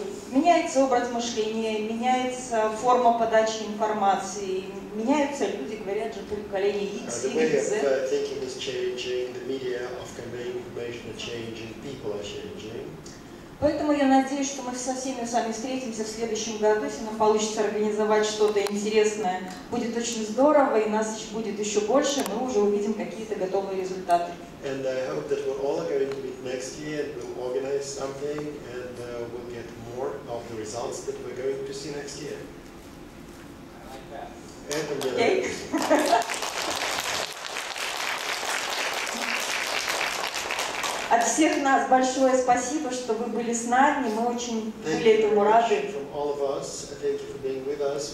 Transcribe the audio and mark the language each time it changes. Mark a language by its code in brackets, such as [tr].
[ru] Меняется образ мышления, меняется форма подачи информации, меняются люди, говорят же, поколение X, Y, Z. [en] The way of thinking is changing, the media of conveying information are changing, people are changing. [ru] Поэтому я надеюсь, что мы со всеми с вами встретимся в следующем году, если нам получится организовать что-то интересное. Будет очень здорово, и нас будет еще больше, мы уже увидим какие-то готовые результаты. [en] And I hope that we're all going to meet next year and we'll organize something and we'll get more of the results that we're going to see next year. I like that. Okay. [ru] От всех нас большое спасибо, что вы были с нами. Мы очень были этому рады. [en] From all of us, thank you for being with us.